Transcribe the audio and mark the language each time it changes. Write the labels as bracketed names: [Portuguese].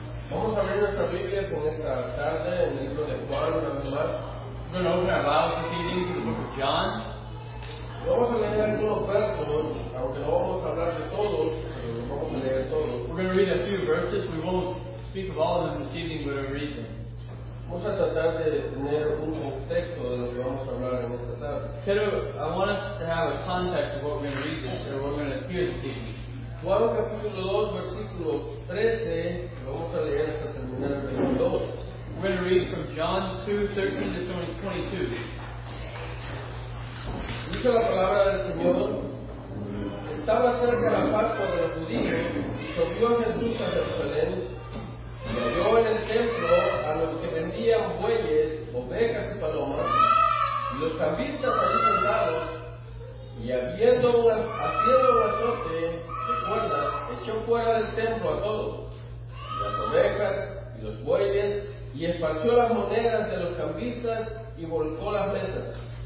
[Spanish] Vamos a abrir nuestras Biblias en esta tarde en el libro de Juan, una vez más. [English] We're going to open our Bibles this evening to the book of John. [Spanish] Vamos a leer algunos versos, aunque no vamos a hablar de todos, pero no vamos a leer todos. [English] We're going to read a few verses. We won't speak of all of them this evening, but we'll read them. [Spanish] Vamos a tratar de tener un contexto de lo que vamos a hablar en esta tarde. Pero [English] I want us to have a context of what we're going to read this, or what we're going to hear this evening. [Spanish] Juan capítulo 2, versículo 13, lo vamos a leer hasta terminar el 22. [English] We're going to read from John 2, 13 to 22. [Spanish] Dice la palabra del Señor: Estaba cerca la Pascua de los judíos, subió Jesús a Jerusalén, y oyó en el templo a los que vendían bueyes, ovejas y palomas, y los cambistas allí sentados, y habiendo haciendo un azote, echó fuera del templo a todos, las ovejas y los bueyes, y esparció las monedas de los cambistas y volcó las mesas.